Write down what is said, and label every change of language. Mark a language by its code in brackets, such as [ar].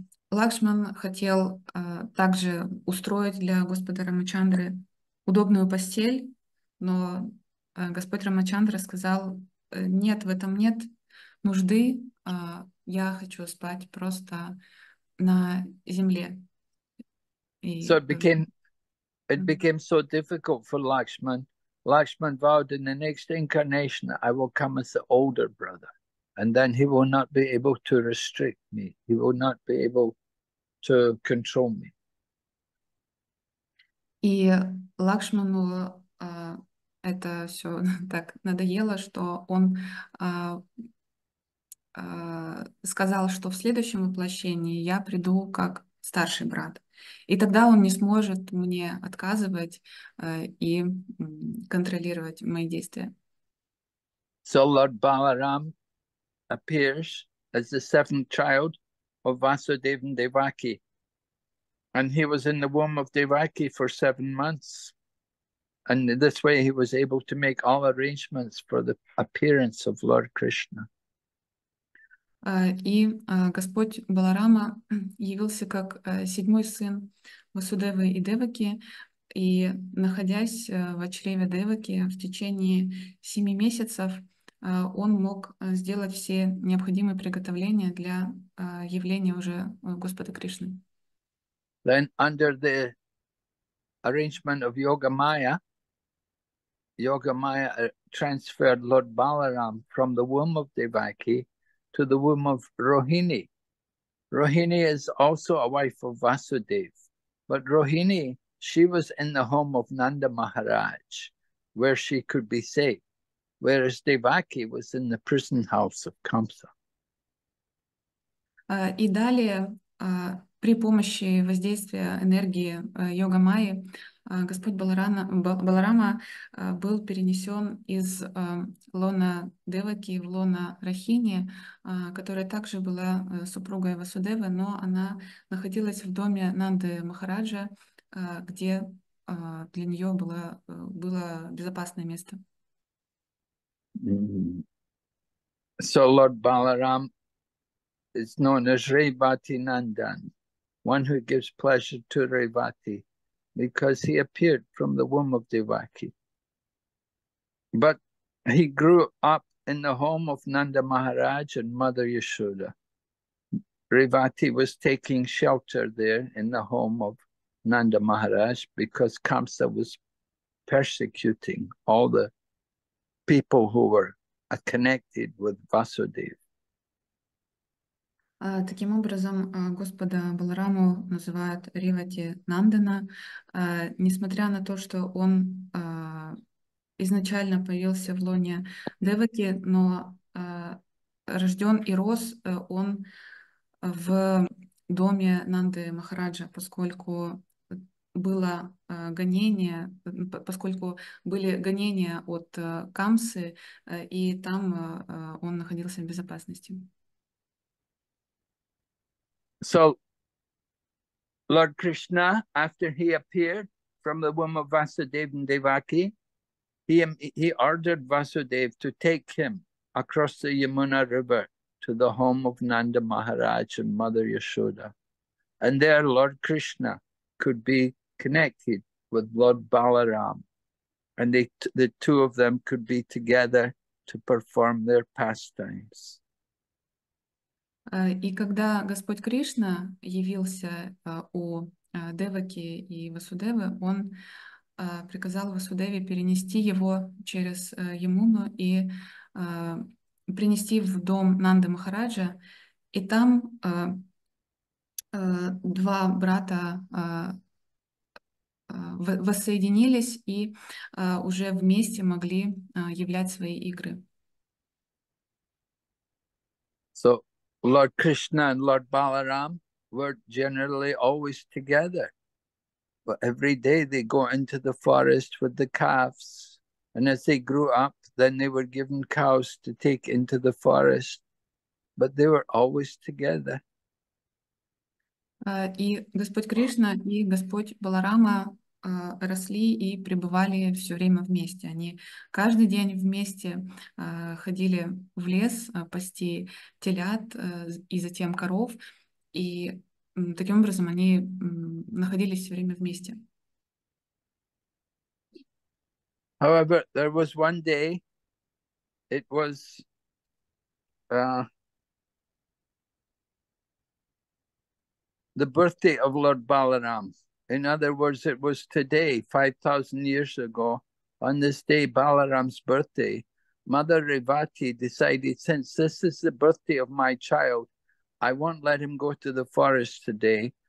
[ru] Лакшман хотел также устроить для господа Рамачандры удобную постель, но господь Рамачандра сказал, нет, в этом нет нужды, я хочу спать просто на земле. [en] So it became so difficult for Lakshman. Lakshman vowed in the next incarnation that I will come as the older brother. And then he will not be able to restrict me. He will not be able to control me. [ru] И Лакшману это все так надоело, что он сказал, что в следующем воплощении я приду как старший брат. И тогда он не сможет мне отказывать и контролировать мои действия. [en] So Lord Balaram appears as the seventh child of Vasudeva and Devaki. And he was in the womb of Devaki for 7 months. And this way he was able to make all arrangements for the appearance of Lord Krishna. [ru] И Господь Баларама явился как седьмой сын Васудевы и Деваки, и, находясь в чреве Деваки в течение 7 месяцев, он мог сделать все необходимые приготовления для явления уже Господа Кришны. [en] Then under the arrangement of Yogamaya transferred Lord Balaram from the womb of Devaki to the womb of Rohini. Rohini is also a wife of Vasudev, but Rohini, she was in the home of Nanda Maharaj, where she could be safe, whereas Devaki was in the prison house of Kamsa. [ru] И далее, при помощи воздействия энергии йога майи, Господь Баларама был перенесен из лона Деваки в лона Рахини, которая также была супругой Васудевы, но она находилась в доме Нанды Махараджа, где для нее было безопасное место. [en] So Lord Balaram is known as Revati Nandan, one who gives pleasure to Revati, because he appeared from the womb of Devaki. But he grew up in the home of Nanda Maharaj and Mother Yashoda. Revati was taking shelter there in the home of Nanda Maharaj because Kamsa was persecuting all the people who were connected with Vasudeva. [ru] Таким образом, господа Балараму называют Ревати Нандана. Несмотря на то, что он изначально появился в лоне Деваки, но рожден и рос он в доме Нанды Махараджа, поскольку было гонение, поскольку были гонения от Камсы, и там он находился в безопасности. [en] So, Lord Krishna, after he appeared from the womb of Vasudeva and Devaki, he ordered Vasudeva to take him across the Yamuna River to the home of Nanda Maharaj and Mother Yashoda. And there Lord Krishna could be connected with Lord Balaram. And the two of them could be together to perform their pastimes. [ru] И когда Господь Кришна явился у Деваки и Васудевы, он приказал Васудеве перенести его через Ямуну и принести в дом Нанды Махараджа. И там два брата воссоединились и уже вместе могли являть свои игры. [en] So, Lord Krishna and Lord Balaram were generally always together. But every day they go into the forest with the calves. And as they grew up, then they were given cows to take into the forest. But they were always together. [ru] И Господь Кришна и Господь Баларама росли и пребывали все время вместе. Они каждый день вместе ходили в лес пасти телят и затем коров. И таким образом они находились все время вместе. [en] However, there was one day, it was the birthday of Lord Balaram. In other words, it was today, 5,000 years ago, on this day, Balaram's birthday, Mother Revati decided, since this is the birthday of my child, I won't let him go to the forest today.